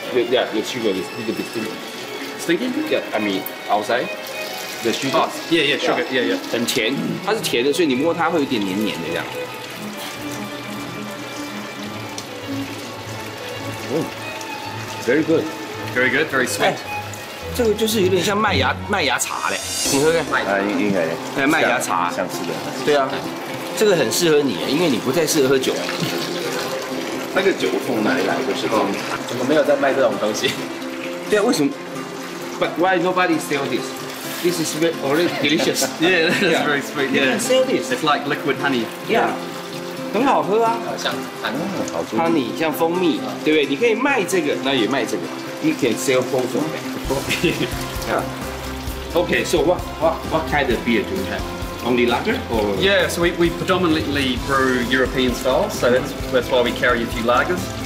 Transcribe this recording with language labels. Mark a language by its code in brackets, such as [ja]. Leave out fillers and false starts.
[en] Yeah, the sugar is a little bit stinky. Stinky? Yeah, I mean, outside. The sugar. Oh, yeah, yeah, sugar. Yeah, yeah. [zh] 很甜，它是甜的，所以你摸它会有点黏黏的这样。 [en] Oh, very good. Very good. Very sweet. [zh] 这个就是有点像麦芽茶嘞，你喝看。啊，应该。哎，麦芽茶。像是的。对啊，这个很适合你，因为你不太适合喝酒。那个酒从哪里来？就是怎么没有在卖这种东西？对啊，为什么 [en] ？But why nobody sell this? This is very already delicious. Yeah, that's very sweet. Yeah. You can sell this. It's like liquid honey. [zh] Yeah. 很好喝啊。像 honey 像蜂蜜，对不对？你可以卖这个，那也卖这个。 [en] You can sell both of them. Okay. Yeah. Okay. So what kind of beer do you have? Only lager or? Yeah. So we predominantly brew European style. So that's why we carry a few lagers.